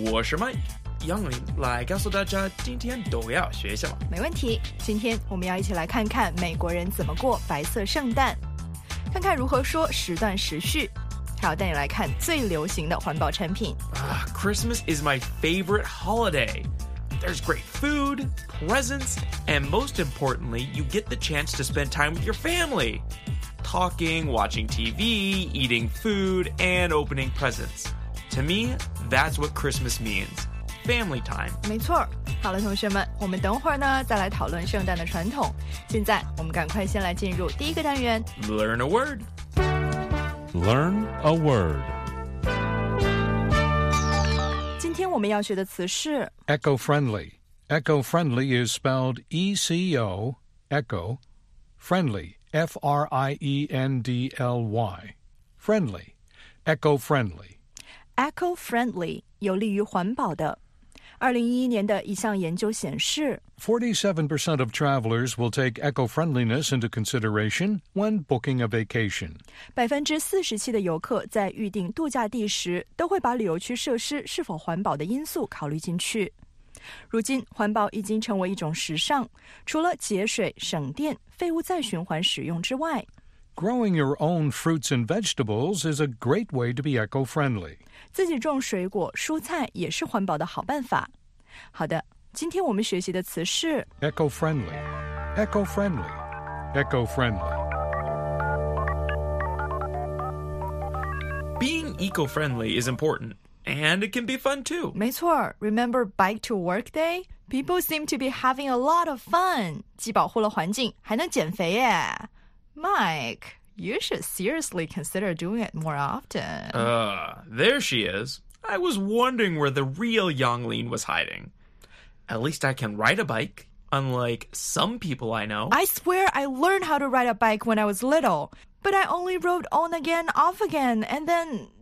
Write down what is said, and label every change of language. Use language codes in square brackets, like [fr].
[zh] 我是 Mike 杨林，来告诉大家今天都要学什么。没问题，今天我们要一起来看看美国人怎么过白色圣诞，看看如何说时断时续，还要带你来看最流行的环保产品。 [en] Christmas is my favorite holiday. There's great food, presents, and most importantly, you get the chance to spend time with your family. Talking, watching TV, eating food, and opening presents. To me, that's what Christmas means. Family time. [zh] 没错。好了，同学们，我们等会儿呢再来讨论圣诞的传统。现在我们赶快先来进入第一个单元。 [en] Learn a word. Learn a word. [zh] 今天我们要学的词是 [en] Eco-friendly. Eco-friendly is spelled E-C-O, Echo, friendly. F-R-I-E-N-D-L-Y. Friendly. Eco-friendly. [zh] Eco-friendly, 有利于环保的。2011年的一项研究显示 [en] 47% of travelers will take eco-friendliness into consideration when booking a vacation. [zh] 47%的游客在预订度假地时都会把旅游区设施是否环保的因素考虑进去。如今环保已经成为一种时尚，除了节水省电、废物再循环使用之外， [en] Growing your own fruits and vegetables is a great way to be eco-friendly. [zh] 自己种水果蔬菜也是环保的好办法。好的，今天我们学习的词是 [en] eco-friendly, eco-friendly, eco-friendly. Being eco-friendly is importantAnd it can be fun, too. [zh] 没错 [en] Remember bike to work day? People seem to be having a lot of fun. [zh] 既保护了环境还能减肥耶。 [en] Mike, you should seriously consider doing it more often. There she is. I was wondering where the real Yang Lin was hiding. At least I can ride a bike, unlike some people I know. I swear I learned how to ride a bike when I was little. But I only rode on again, off again, and then...